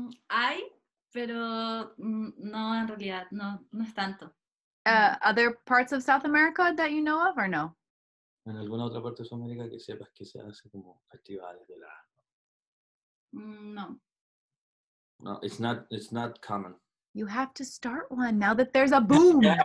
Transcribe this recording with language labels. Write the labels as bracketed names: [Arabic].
[Spanish] Hay, pero no, en realidad, no es tanto. [English] Other parts of South America that you know of or no? [Spanish] En alguna otra parte de Sudamérica que sepas que se hace como festivales de lana. No, [English] it's not common. You have to start one now that there's a boom.